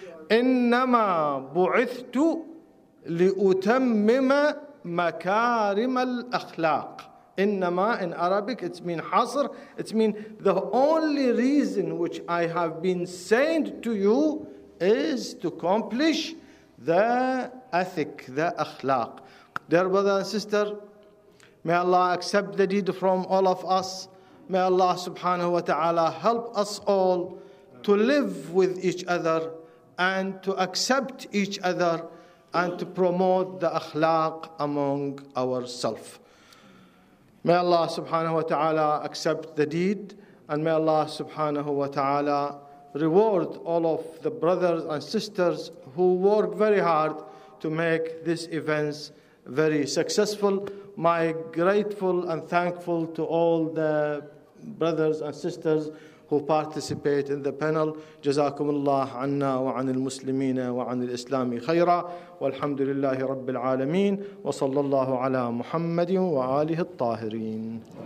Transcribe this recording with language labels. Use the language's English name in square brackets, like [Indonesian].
[Arabic] إنما بعثت لأتمم مكارم الأخلاق. [English] إنما in Arabic it means حصر. It means the only reason which I have been sent to you is to accomplish the ethic, the أخلاق. Dear brother and sister, may Allah accept the deed from all of us. May Allah subhanahu wa ta'ala help us all to live with each other and to accept each other and to promote the akhlaq among ourselves. May Allah subhanahu wa ta'ala accept the deed, and may Allah subhanahu wa ta'ala reward all of the brothers and sisters who work very hard to make these events very successful. My grateful and thankful to all the brothers and sisters who participate in the panel. [Arabic] جزاكم الله عنا وعن المسلمين وعن الإسلام خيرا والحمد لله رب العالمين وصلى الله على محمد وآله الطاهرين.